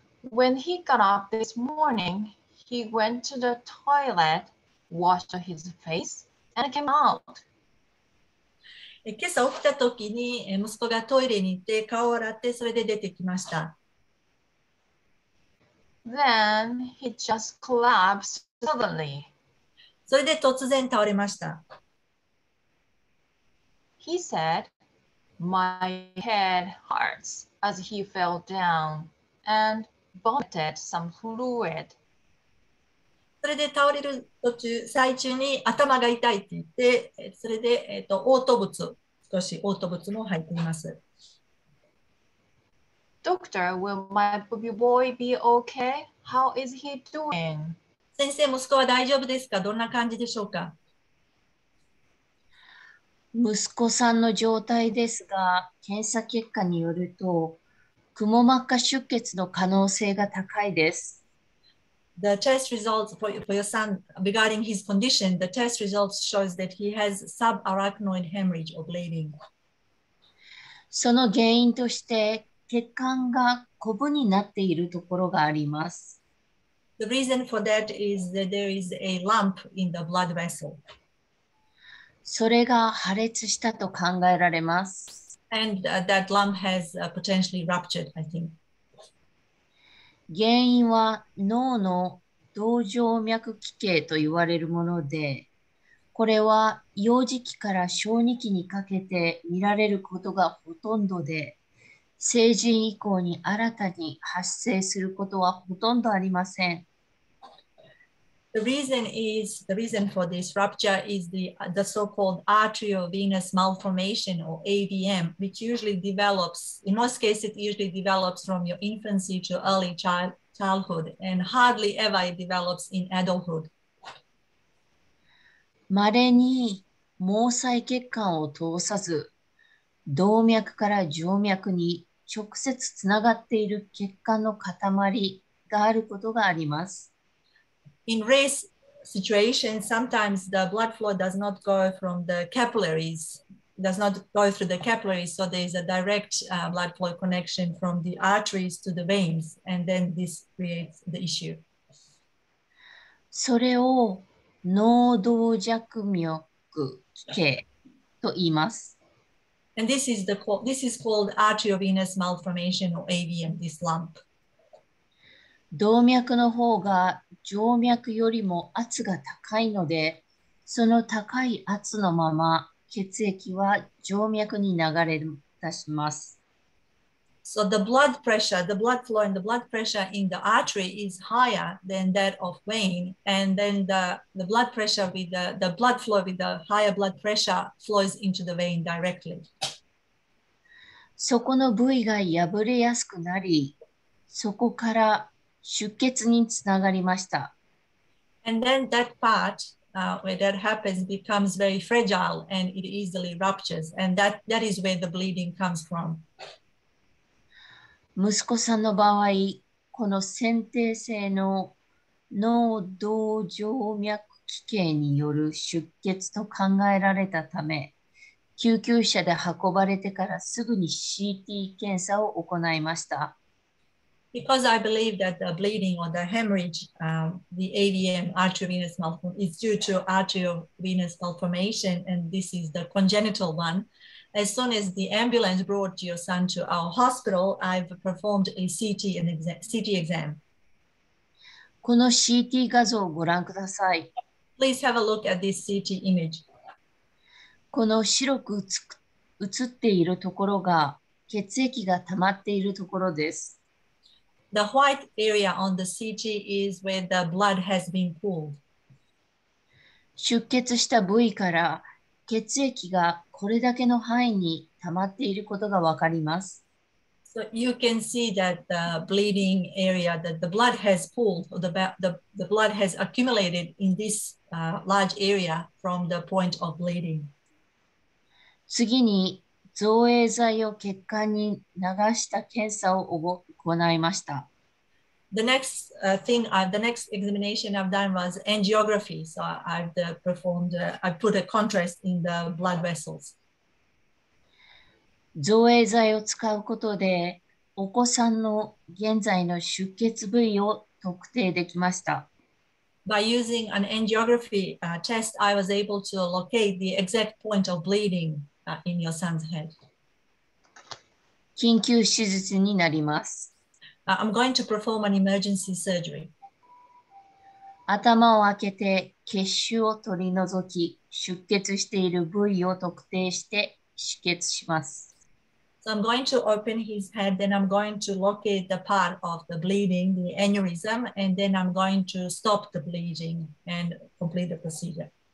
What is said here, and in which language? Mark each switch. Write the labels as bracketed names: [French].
[English] When he got up this morning, he went to the toilet, washed his face, and came out. [Japanese] 今朝起きた時に息子がトイレに行って顔を洗ってそれで出てきました。 [English] Then he just collapsed suddenly. [Japanese] それで突然倒れました。 [English] He said, "My head hurts" as he fell down and vomited some fluid. [Japanese] それで倒れる途中、最中に頭が痛いって言って、それで嘔吐物、少し嘔吐物も入っています。 [English] Doctor, will my boy be okay? How is he doing? [Japanese] 先生、息子は大丈夫ですか？どんな感じでしょうか？息子さんの状態ですが、検査結果によると、くも膜下出血の可能性が高いです。 [English] The test results for your son regarding his condition, the test results shows that he has subarachnoid hemorrhage or bleeding. [Japanese] その原因として、血管がコブになっているところがあります。 [English] The reason for that is that there is a lump in the blood vessel. [Japanese] それが破裂したと考えられます。 [English] And that lump has potentially ruptured, I think. [Japanese] 原因は脳の動静脈奇形と言われるもので、これは幼児期から小児期にかけて見られることがほとんどで、成人以降に新たに発生することはほとんどありません。 [English] The reason for this rupture is the so-called arteriovenous malformation or AVM, which usually develops, in most cases, it usually develops from your infancy to early childhood and hardly ever it develops in adulthood. [Japanese] まれに毛細血管を通さず、動脈から静脈に直接つながっている血管の塊があることがあります。 [English] In rare situations, sometimes the blood flow does not go from the capillaries, does not go through the capillaries, so there is a direct blood flow connection from the arteries to the veins, and then this creates the issue. [Japanese] それを脳動脈瘤奇形と言います。 [English] And this is called arteriovenous malformation or AVM, this lump. [Japanese] 動脈の方が静脈よりも圧が高いので、その高い圧のまま血液は静脈に流れ出します。 [English] So the blood pressure, the blood flow and the blood pressure in the artery is higher than that of vein, and then the blood pressure with the blood flow with the higher blood pressure flows into the vein directly. [Japanese] そこの部位が破れやすくなり、そこから出血につながりました。 [English] And then that part, where that happens becomes very fragile and it easily ruptures, and that is where the bleeding comes from. [Japanese] 息子さんの場合、この先天性の脳動静脈奇形による出血と考えられたため、救急車で運ばれてからすぐに CT 検査を行いました。 [English] Because I believe that the bleeding or the hemorrhage, the AVM, arteriovenous malformation, is due to arteriovenous malformation, and this is the congenital one. As soon as the ambulance brought your son to our hospital, I've performed a CT exam. [Japanese] この CT 画像をご覧ください。 [English] Please have a look at this CT image. [Japanese] この白く映っているところが血液が溜まっているところです。 [English] The white area on the CT is where the blood has been pooled. [Japanese] 出血した部位から血液がこれだけの範囲に溜まっていることがわかります。 [English] So you can see that the bleeding area, that the blood has pooled, or the blood has accumulated in this large area from the point of bleeding. [Japanese] 次に造影剤を血管に流した検査を行いました。 [English] the next thing, the next examination I've done was angiography. So I've performed, I put a contrast in the blood vessels. [Japanese] 造影剤を使うことで、お子さんの現在の出血部位を特定できました。 [English] By using an angiography test, I was able to locate the exact point of bleeding in your son's head. [Japanese] 緊急手術になります。 [English] I'm going to perform an emergency surgery. [Japanese] 頭を開けて血腫を取り除き、出血している部位を特定して止血します。 [English] So I'm going to open his head, then I'm going to locate the part of the bleeding, the aneurysm, and then I'm going to stop the bleeding and complete the procedure.